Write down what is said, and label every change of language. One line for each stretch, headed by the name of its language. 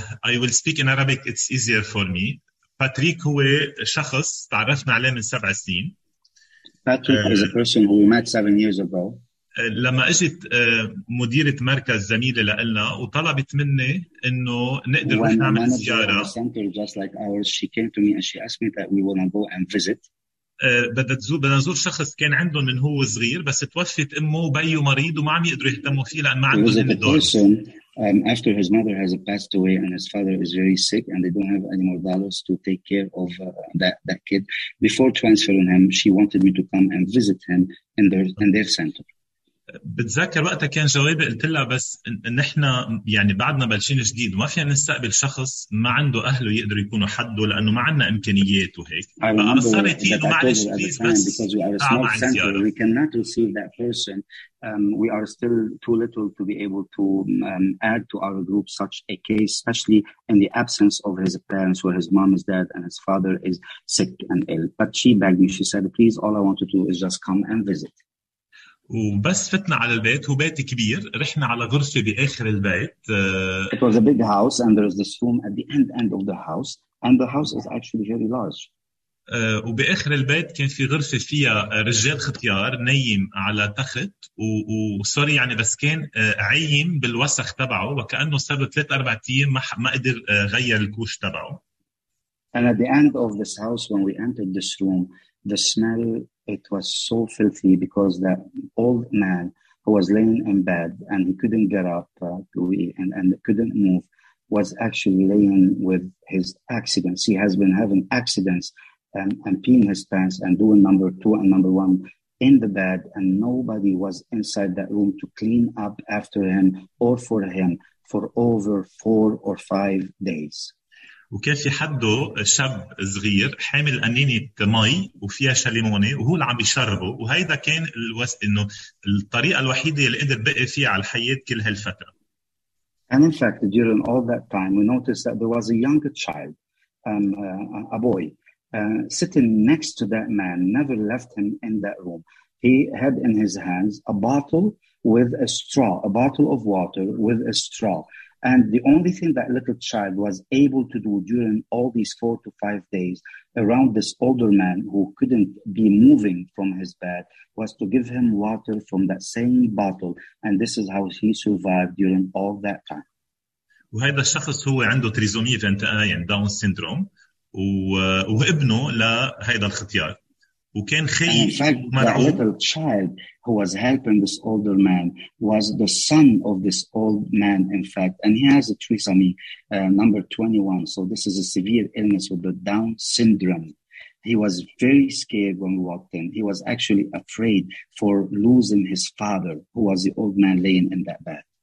English: I will speak in Arabic, it's easier for me.
Arabic: Patrick هو شخص تعرفنا عليه من 7 سنين.
English: Patrick is a person who we met 7 years ago.
Arabic: لما اجت مديرة مركز زميلة لنا وطلبت مني انه نقدر نروح نعمل زيارة.
English: Center just like ours, she came to me and she asked me that we want to go and visit.
Arabic: بدنا نزور شخص كان عنده من هو صغير بس توفت امه وبيه مريض وما عم يقدروا يهتموا فيه لان ما عنده دور.
English: After his mother has passed away and his father is very sick and they don't have any more dollars to take care of that kid, before transferring him, she wanted me to come and visit him in their center.
Arabic: بتذكر وقتها كان جوابي قلت لها بس نحن يعني بعدنا بلشين جديد ما فينا نستقبل شخص ما عنده أهله يقدر يكونوا حده لأنه ما عندنا إمكانيات وهيك فأصرت إنه معلش بليز بس أعمى عن زيارة
English: we cannot receive that person we are still too little to be able to add to our group such a case especially in the absence of his parents where his mom is dead and his father is sick and ill but she begged me she said please all I want to do is just come and visit
Arabic: وبس فتنا على البيت هو بيت كبير رحنا على غرفة بآخر البيت
English: It was a big house and there is this room at the end of the house and the house is actually very large
Arabic: وبآخر البيت كان في غرفة فيها رجال ختيار نايم على تخت وصاري يعني بس كان عيم بالوسخ تبعه وكأنه صار 3-4 أيام ما قدر غير الكوش تبعه
English: And at the end of this house when we entered this room the smell It was so filthy because that old man who was laying in bed and he couldn't get up and couldn't move was actually laying with his accidents. He has been having accidents and peeing his pants and doing number two and number one in the bed and nobody was inside that room to clean up after him or for him for over 4 or 5 days.
Arabic: وكان في حده شاب صغير حامل قنينة مي وفيها شليمونة وهو اللي عم بيشربه وهيدا كان إنه الطريقة الوحيدة اللي قدر بقي فيها على الحياة كل هالفترة.
English: And in fact, during all that time, we noticed that there was a young child, a boy, sitting next to that man, never left him in that room. He had in his hands a bottle with a straw, a bottle of water with a straw. And the only thing that little child was able to do during all these 4 to 5 days around this older man who couldn't be moving from his bed was to give him water from that same bottle. And this is how he survived during all that time.
Arabic: وهذا الشخص هو عنده تريزومي 21 داون سيندروم وابنه لهذا الختيار. وكان خي مرعوب.
English: The little child who was helping this older man was the son of this old man, in fact. And he has a trisomy number 21. So this is a severe illness with the Down syndrome. He was very scared when we walked in. He was actually afraid for losing his father, who was the old man laying in that bed.